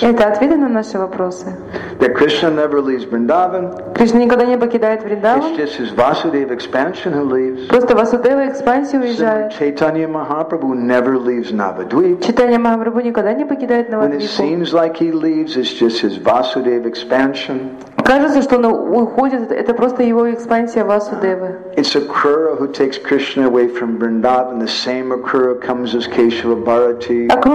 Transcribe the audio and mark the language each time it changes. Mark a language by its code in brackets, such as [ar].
[ru] Это ответы на наши вопросы. [en] That Krishna never leaves Vrindavan. [ru] Кришна никогда не покидает Вриндаван. [en] It's just his Vasudeva expansion who leaves. [ru] Просто Васудева экспансия уезжает. [en] Chaitanya Mahaprabhu never leaves Navadvip. [ru] Чайтанья Махапрабху никогда не покидает Навадвипу. [en] When it seems like he leaves, it's just his Vasudeva expansion. [ru] Кажется, что он уходит, это просто его экспансия Васудевы. [en] It's Akura who takes Krishna away from Vrindavan. The same Akura comes as Keshava Bharati.